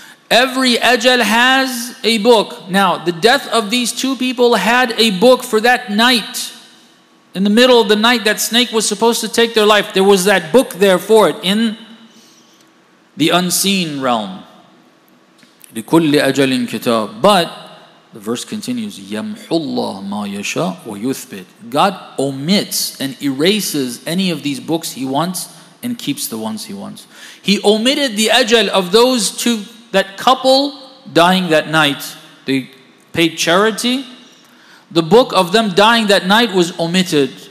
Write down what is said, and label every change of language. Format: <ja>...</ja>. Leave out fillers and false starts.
<en>Every ajal has a book. Now, the death of these two people had a book for that night. In the middle of the night, that snake was supposed to take their life. There was that book there for it in the unseen realm.</en> <ar>لِكُلِّ أَجَلٍ كِتَابٍ.</ar> <en>But the verse continues,</en> <ar>يَمْحُ اللَّهُ مَا يَشَاءُ وَيُثْبِتْ.</ar> <en>God omits and erases any of these books He wants and keeps the ones He wants. He omitted the ajal of those two, that couple dying that night. They paid charity. The book of them dying that night was omitted.</en>